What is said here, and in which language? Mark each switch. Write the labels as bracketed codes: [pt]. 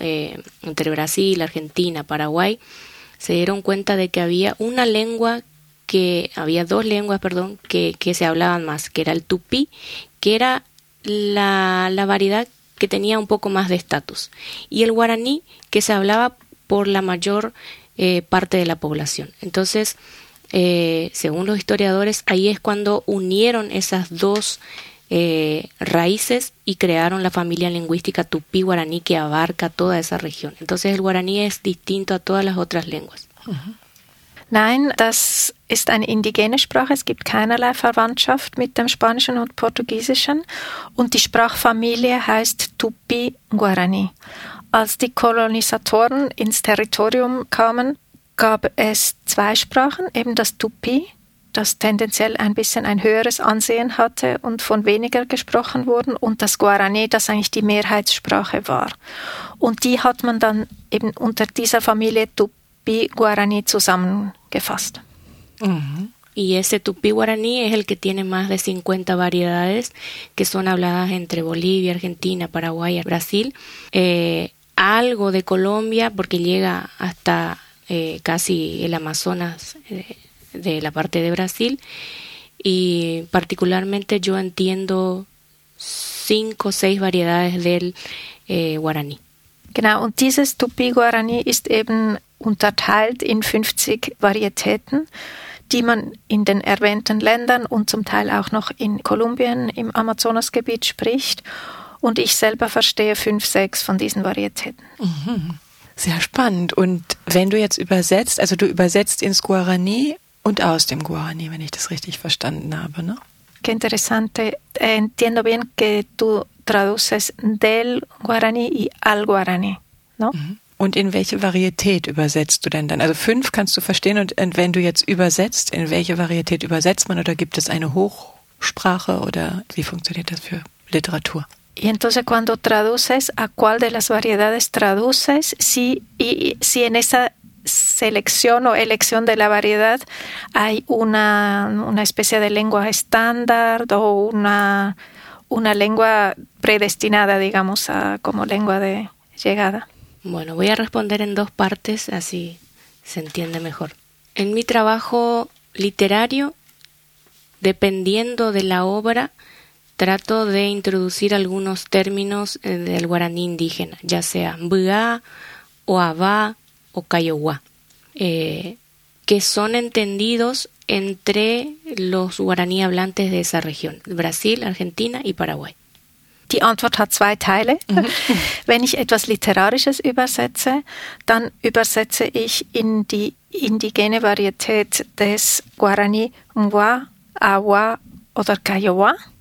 [es] Entre Brasil, Argentina, Paraguay, se dieron cuenta de que había una lengua, que había dos lenguas, perdón, que se hablaban más, que era el tupí, que era la variedad que tenía un poco más de estatus, y el guaraní, que se hablaba por la mayor parte de la población. Entonces, según los historiadores, ahí es cuando unieron esas dos raíces y crearon la familia lingüística tupí-guaraní, que abarca toda esa región. Entonces, el guaraní es distinto a todas las otras lenguas. [de] Nein, das ist eine indigene Sprache. Es gibt keinerlei Verwandtschaft mit dem Spanischen und Portugiesischen. Und die Sprachfamilie heißt Tupi-Guarani. Als die Kolonisatoren ins Territorium kamen, gab es zwei Sprachen, eben das Tupi, das tendenziell ein bisschen ein höheres Ansehen hatte und von weniger gesprochen wurden, und das Guarani, das eigentlich die Mehrheitssprache war. Und die hat man dann eben unter dieser Familie Tupi Guaraní zusammengefasst. [es] Y ese tupí guaraní es el que tiene más de 50 variedades que son habladas entre Bolivia, Argentina, Paraguay, Brasil, algo de Colombia, porque llega hasta casi el Amazonas de la parte de Brasil, y particularmente yo entiendo 5 o 6 variedades del guaraní. [de] Genau, und dieses tupí guaraní ist eben unterteilt in 50 Varietäten, die man in den erwähnten Ländern und zum Teil auch noch in Kolumbien im Amazonasgebiet spricht. Und ich selber verstehe 5, 6 von diesen Varietäten. Mhm. Sehr spannend. Und wenn du jetzt übersetzt, also du übersetzt ins Guarani und aus dem Guarani, wenn ich das richtig verstanden habe, ne? [es] Qué interesante. Entiendo bien que tú traduces del Guarani y al Guarani, ¿no? Mhm. [de] Und in welche Varietät übersetzt du denn dann? Also 5 kannst du verstehen, und wenn du jetzt übersetzt, in welche Varietät übersetzt man, oder gibt es eine Hochsprache, oder wie funktioniert das für Literatur? [es] Y entonces cuando traduces, ¿a cuál de las variedades traduces? Si en esa selección o elección de la variedad hay una especie de lengua estándar o una lengua predestinada, digamos, a, como lengua de llegada. Bueno, voy a responder en 2 partes, así se entiende mejor. En mi trabajo literario, dependiendo de la obra, trato de introducir algunos términos del guaraní indígena, ya sea mbuá, o abá, o kayowá, que son entendidos entre los guaraní hablantes de esa región, Brasil, Argentina y Paraguay. [de] Die Antwort hat 2 Teile. Wenn ich etwas Literarisches übersetze, dann übersetze ich in die indigene Varietät des Guarani Mwa, Awa oder Kayowa.